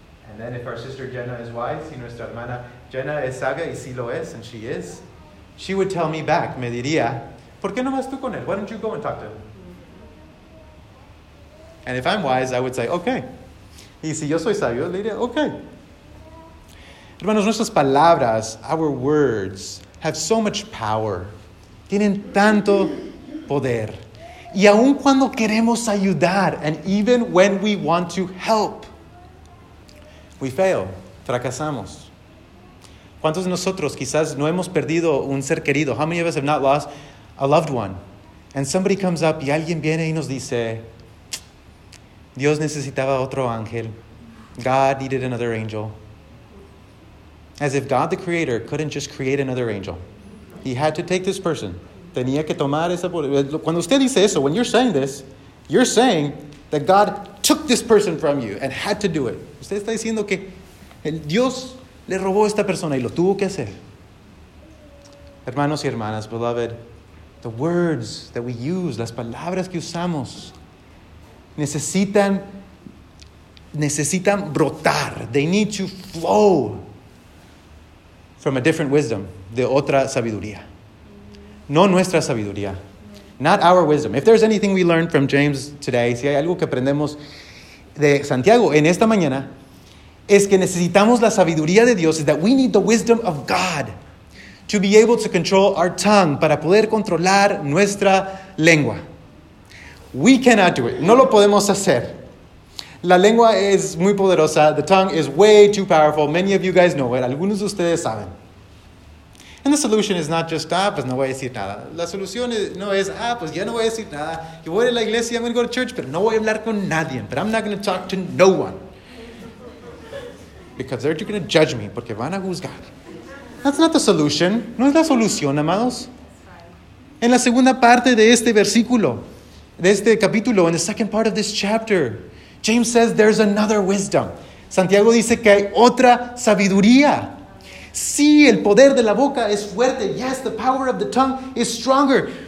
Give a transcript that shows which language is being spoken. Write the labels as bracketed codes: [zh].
[en] And then if our sister Jenna is wise, [es] si nuestra hermana Jenna es sabia, y si lo es, [en] and she is, she would tell me back, [es] me diría, ¿por qué no vas tú con él? [en] Why don't you go and talk to him? And if I'm wise, I would say, okay. [es] Y si yo soy sabio, le diría, okay. Hermanos, nuestras palabras, [en] our words, have so much power. [es] Tienen tanto poder. Y aun cuando queremos ayudar, [en] and even when we want to help, we fail, [es] fracasamos. ¿Cuántos de nosotros quizás no hemos perdido un ser querido? [en] How many of us have not lost a loved one? And somebody comes up [es] y alguien viene y nos dice, Dios necesitaba otro ángel. [en] God needed another angel. As if God the creator couldn't just create another angel. He had to take this person. [es] Tenía que tomar esa... Cuando usted dice eso, [en] when you're saying this, you're saying that God took this person from you and had to do it. [es] Usted está diciendo que el Dios le robó a esta persona y lo tuvo que hacer. Hermanos y hermanas, [en] beloved, the words that we use, [es] las palabras que usamos, necesitan brotar. [en] They need to flow from a different wisdom, [es] de otra sabiduría. No nuestra sabiduría. [en] Not our wisdom. If there's anything we learned from James today, [es] si hay algo que aprendemos de Santiago en esta mañana, es que necesitamos la sabiduría de Dios, [en] is that we need the wisdom of God to be able to control our tongue, [es] para poder controlar nuestra lengua. [en] We cannot do it. [es] No lo podemos hacer. La lengua es muy poderosa. [en] The tongue is way too powerful. Many of you guys know it. [es] Algunos de ustedes saben. [en] And the solution is not just, [es] pues no voy a decir nada. La solución no es, pues ya no voy a decir nada. Yo voy a la iglesia, [en] I'm going to go to church, [es] pero no voy a hablar con nadie. [en] But I'm not going to talk to no one. Because they're going to judge me, [es] porque van a juzgar. [en] That's not the solution. [es] No es la solución, amados. En la segunda parte de este versículo, de este capítulo, [en] in the second part of this chapter, James says there's another wisdom. [es] Santiago dice que hay otra sabiduría. Sí, el poder de la boca es fuerte. [en] Yes, the power of the tongue is stronger.